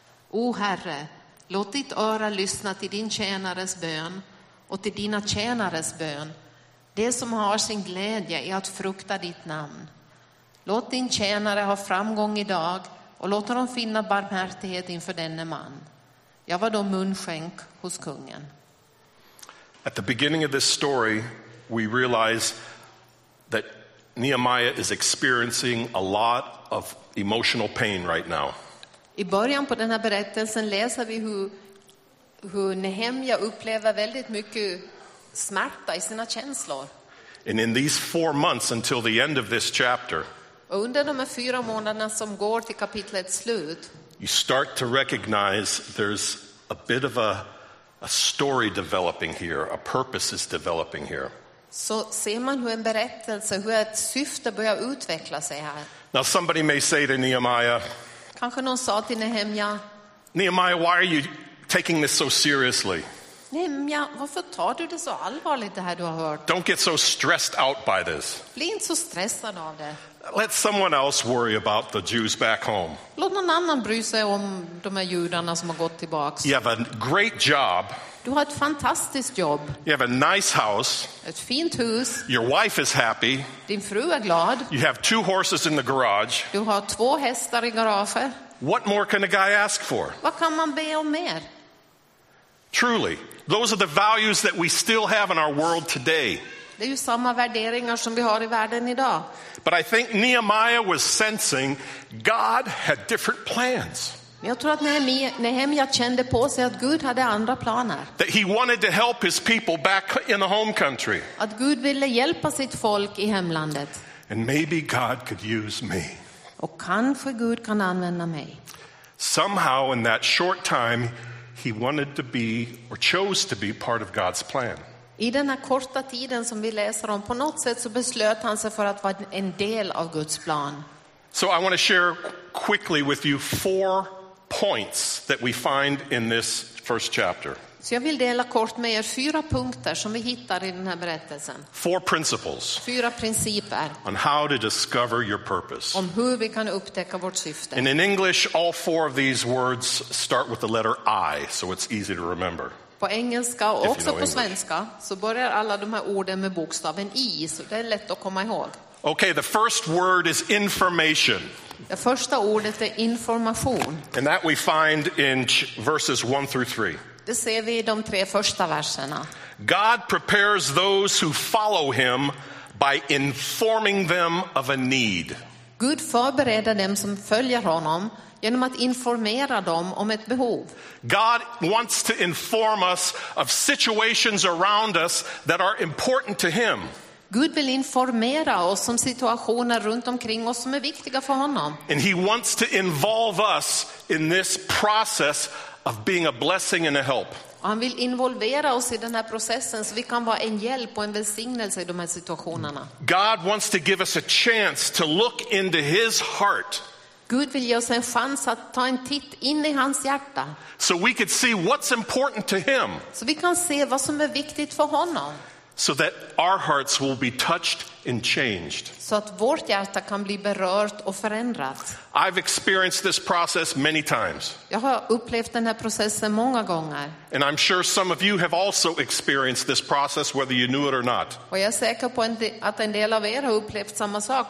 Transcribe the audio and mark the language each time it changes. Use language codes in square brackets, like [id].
[sv] O Herre, låt ditt öra lyssna till din tjänares bön och till dina tjänares bön, det som har sin glädje i att frukta ditt namn. Låt din tjänare ha framgång idag och låt honom finna barmhärtighet inför denne man. Jag var då munskänk hos kungen. [en] At the beginning of this story, we realize that Nehemiah is experiencing a lot of emotional pain right now. [sv] I början på den här berättelsen läser vi hur Nehemja upplever väldigt mycket smärta i sina känslor. [en] And in these 4 months until the end of this chapter, [sv] och under de här 4 månaderna som går till kapitlets slut, [en] you start to recognize there's a bit of a story developing here, a purpose is developing here. [sv] Så ser man hur en berättelse, hur ett syfte börjar utveckla sig här. [en] Now somebody may say to Nehemiah, [sv] kanske någon sa till Nehemja, [en] Nehemiah, why are you taking this so seriously? [sv] Nehemja, varför tar du det så allvarligt det här du har hört? [en] Don't get so stressed out by this. [sv] Bli inte så stressad av det. [en] Let someone else worry about the Jews back home. [sv] Låt någon annan bry sig om de här judarna som har gått tillbaka. [en] You have a great job. [sv] Du har ett fantastiskt jobb. [en] You have a nice house. [sv] Ett fint hus. [en] Your wife is happy. [sv] Din fru är glad. [en] You have 2 horses in the garage. [sv] Du har 2 hästar i garaget. [en] What more can a guy ask for? [sv] Vad kan man be om mer? [en] Truly, those are the values that we still have in our world today. [sv] Det är ju samma värderingar som vi har i världen idag. [en] But I think Nehemiah was sensing God had different plans. [sv] Jag tror att Nehemja kände på sig att Gud hade andra planer. [en] That he wanted to help his people back in the home country. [sv] Att Gud ville hjälpa sitt folk i hemlandet. [en] And maybe God could use me. [sv] Och kanske Gud kan använda mig. [en] Somehow in that short time he wanted to be or chose to be part of God's plan. [sv] I den här korta tiden som vi läser om, på något sätt så beslöt han sig för att vara en del av Guds plan. [en] So I want to share quickly with you 4 points that we find in this first chapter. [sv] Så jag vill dela kort med er 4 punkter som vi hittar i den här berättelsen. [en] 4 principles. [sv] 4 principer. [en] On how to discover your purpose. [sv] Om hur vi kan upptäcka vårt syfte. [en] And in English, all 4 of these words start with the letter I, so it's easy to remember. [sv] På engelska och också på svenska så börjar alla de här orden med bokstaven I, så det är lätt att komma ihåg. [en] Okay, the first word is information. [sv] Det första ordet är information. [en] And that we find in verses 1-3. [sv] Det ser vi i de 3 första verserna. [en] God prepares those who follow him by informing them of a need. [sv] Gud förbereder dem som följer honom genom att informera dem om ett behov. [en] God wants to inform us of situations around us that are important to him. [sv] Gud vill informera oss om situationer runt omkring oss som är viktiga för honom. [en] And he wants to involve us in this process of being a blessing and a help. [sv] Han vill involvera oss i den här processen så vi kan vara en hjälp och en välsignelse i de här situationerna. [en] God wants to give us a chance to look into his heart. [sv] Gud vill ge oss en chans att ta en titt in i hans hjärta. [en] So we could see what's important to him. [sv] Så vi kan se vad som är viktigt för honom. [en] So that our hearts will be touched and changed. [sv] Så att vårt hjärta kan bli berört och förändrat. [en] I've experienced this process many times. [sv] Jag har upplevt den här processen många gånger. [en] And I'm sure some of you have also experienced this process, whether you knew it or not. [sv] Och jag är säker på att en del av er har upplevt samma sak.